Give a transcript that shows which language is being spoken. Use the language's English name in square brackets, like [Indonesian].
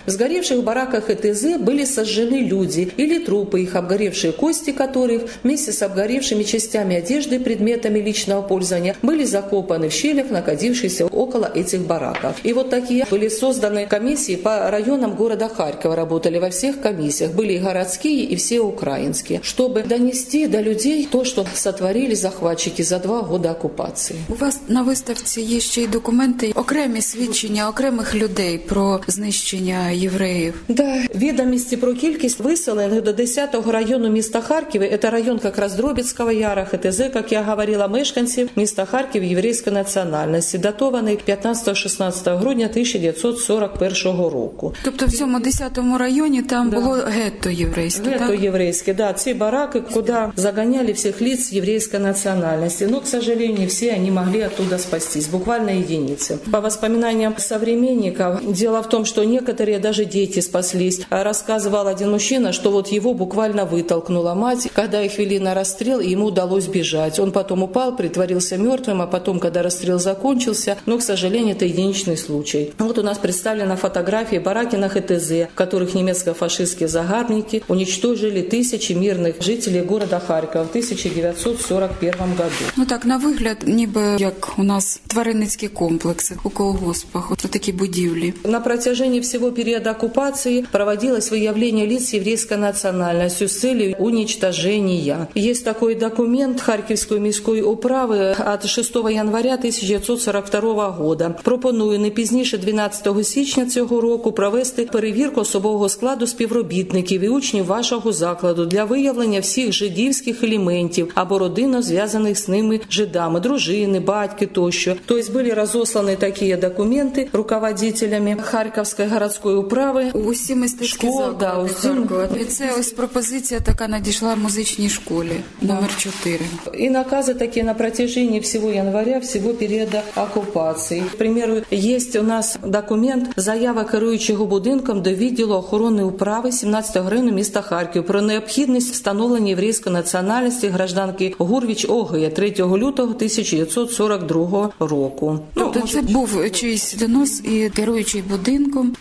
[Russian] В сгоревших бараках ХТЗ были сожжены люди или трупы, их обгоревшие кости которых вместе с обгоревшими частями одежды и предметами личного пользования были закопаны в щелях, находившихся около этих бараков. И вот такие были созданы комиссии по районам города Харькова, работали во всех комиссиях. Были и городские, и все украинские, чтобы донести до людей то, что сотворили захватчики за 2 года оккупации. У вас на выставке есть [Ukrainian] ще й документи, окремі свідчення окремих людей про знищення євреїв. Да, відомості про кількість виселених до 10-го району міста Харкова, це район якраз Дробіцького яра, ХТЗ, як я говорила, мешканців міста Харків єврейської національності, датований 15-16 грудня 1941 року. Тобто в цьому 10-му районі там було гетто єврейське, гетто, так? Гетто єврейське, да, ці бараки, куди заганяли всіх лиц єврейської національності. [Russian] Ну, к сожалению, [Ukrainian] всі вони [Russian] могли оттуда спастись, буквально единицы. По воспоминаниям современников, дело в том, что некоторые даже дети спаслись. Рассказывал один мужчина, что вот его буквально вытолкнула мать, когда их вели на расстрел, и ему удалось бежать. Он потом упал, притворился мертвым, а потом, когда расстрел закончился, но, к сожалению, это единичный случай. Вот у нас представлена фотография бараки на ХТЗ, в которых немецко-фашистские загарбники уничтожили тысячи мирных жителей города Харькова в 1941 году. [Ukrainian] Ну так, на выгляд, небо, как у нас тваринницькі комплекси у колгоспах, от такі будівлі. [Russian] На протяжении всего периода оккупации проводилось выявление лиц еврейской национальности с целью уничтожения. Есть такой документ Харьковской міської управы от 6 января 1942 года. [Ukrainian] Пропоную не пізніше 12 січня цього року провести перевірку особового складу співробітників і учнів вашого закладу для виявлення всіх жидівських елементів або родинно зв'язаних з ними жидами, дружини, батьки тощо. [Russian] То есть были разосланы такие документы руководителями Харьковской городской управы. [Ukrainian] У всі мистецькі школи, да, у всім... І це ось пропозиція така надійшла в музичній школі, номер 4. І накази такі [Russian] на протяжении всего января, всего периода оккупации. К примеру, есть у нас документ [Ukrainian] заява керуючого будинком до відділу охорони управи 17-го району міста Харків про необхідність встановлення єврейської національності гражданки Гурвіч Огоя 3 лютого 1942 року. Тобто це був чийсь донос і керуючий будинком.